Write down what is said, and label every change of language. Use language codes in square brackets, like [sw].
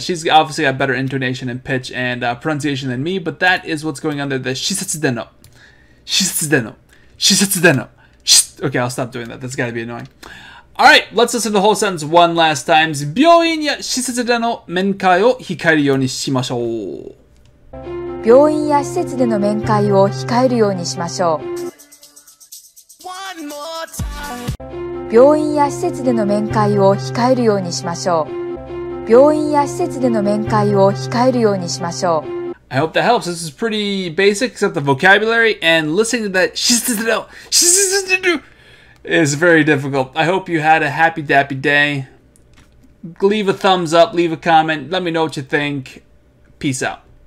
[en] She's obviously got better intonation and pitch and pronunciation than me, but that is what's going under the [ja] 施設での施設での施設での [en] Okay, I'll stop doing that. That's gotta be annoying. All right, let's listen to the whole sentence one last time. [ja] 病院や施設での面会を控えるようにしましょう。病院や施設での面会を控えるようにしましょう。病院や施設での面会を控えるようにしましょう。病院や施設での面会を控えるようにしましょう。 [en] I hope that helps. This is pretty basic, except the vocabulary and listening to that [ja] 施設での施設での [en] is very difficult. I hope you had a happy dappy day. Leave a thumbs up, leave a comment, let me know what you think. Peace out.